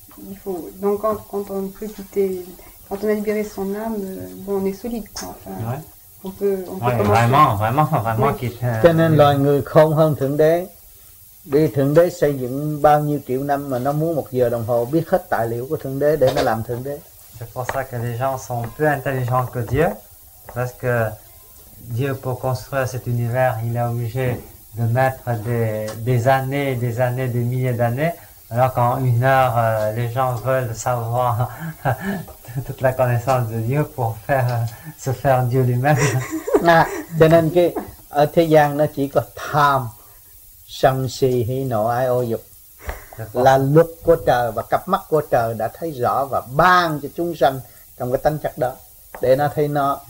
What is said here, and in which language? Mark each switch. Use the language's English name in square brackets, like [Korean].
[French] Il faut donc quand on peut quitter, quand on a libéré son âme, bon, on est solide quoi. Enfin, ouais. On peut vraiment quitter. [Vietnamese] Cho nên loài người không hơn thượng đế. Vì thượng đế xây dựng bao nhiêu triệu năm mà nó muốn một giờ đồng hồ biết hết tài liệu của thượng đế để nó làm thượng đế. [French] C'est pour ça que les gens sont plus intelligents que Dieu, parce que Dieu, pour construire cet univers, il est obligé de mettre des années, des milliers d'années, alors qu'en une heure, les gens veulent savoir toute la connaissance de Dieu pour se faire Dieu lui-même. [Vietnamese] Cho nên cái ở thế gian nó chỉ có tham, sân si, hỷ nộ ái ô dục. Là luật của trời và cặp mắt của trời đã thấy rõ và ban cho chúng sanh trong cái tánh chất đó để nó thấy nó.